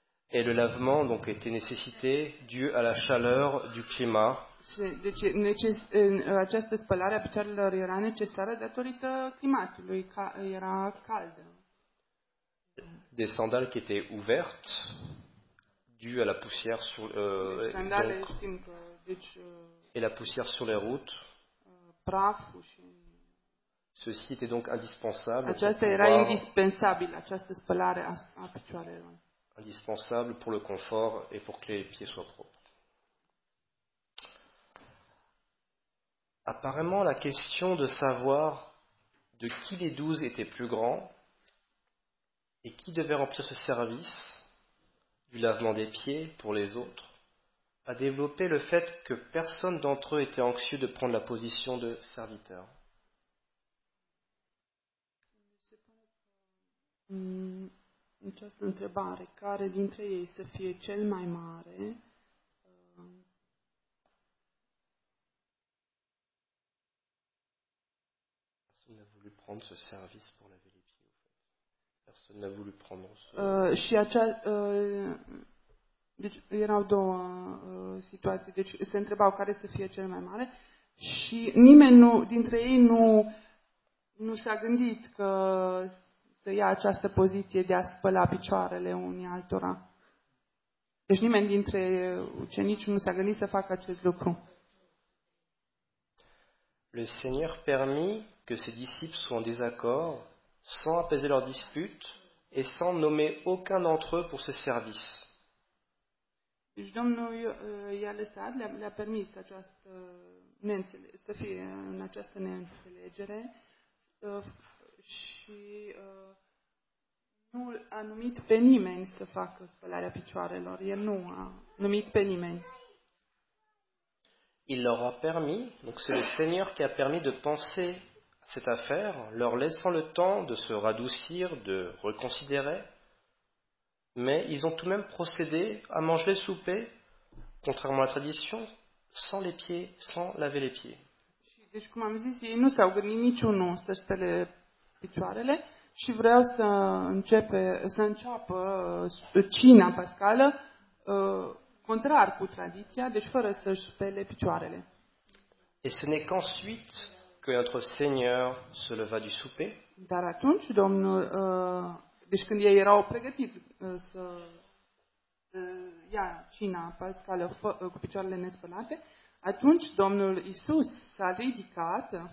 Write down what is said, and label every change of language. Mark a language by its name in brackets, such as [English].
[French] Et le lavement donc était nécessité due à la chaleur du climat. [Romanian] Deci această spălare a picioarelor era necesară datorită climatului, era cald. [French] Des sandales qui étaient ouvertes due à la poussière sur [Romanian] sandale, donc, știm că, deci, [French] et la poussière sur les routes. [Romanian] Praful și... [French] Ceci était donc indispensable. [Romanian] Aceasta era indispensabilă, această spălare a picioarelor. [French] Indispensable pour le confort et pour que les pieds soient propres. Apparemment, la question de savoir de qui les 12 étaient plus grands et qui devait remplir ce service du lavement des pieds pour les autres a développé le fait que personne d'entre eux était anxieux de prendre la position de serviteur. [Romanian] Această întrebare, care dintre ei să fie cel mai mare, [French] personne n'a voulu prendre ce service pour laver les pieds, personne n'a voulu prendre ce... [Romanian] Deci erau două situații, deci se întrebau care să fie cel mai mare și nimeni nu, dintre ei nu s-a gândit că să ia această poziție de a spăla picioarele unii altora. Deci nimeni dintre ucenici nu s-a gândit să facă acest lucru. [French] Le Seigneur permit que ses disciples soient en désaccord, sans apaiser leurs disputes et sans nommer aucun d'entre eux pour ses services. [Romanian] Și Domnul i-a lăsat, le-a permis această să fie în această neînțelegere și nu a numit pe nimeni să facă spălarea picioarelor. El nu a numit pe nimeni. [French] Il leur a permis, donc c'est le Seigneur qui a permis de penser à cette affaire, leur laissant le temps de se radoucir, de reconsidérer. Mais ils ont tout de même procédé à manger le souper, contrairement à la tradition, sans les pieds, sans laver les pieds. [Romanian] Și deci, cum am zis, ei nu s-au gândit niciunul să spele picioarele și vreau să începe, să înceapă cina pascală contrar cu tradiția, deci fără să spele picioarele. [French] Et ce n'est qu'ensuite que notre Seigneur se leva du souper. [Romanian] Dar atunci Domnul deci când ei erau pregătiți să ia cina pascală cu picioarele nespălate, atunci Domnul Iisus s-a ridicat,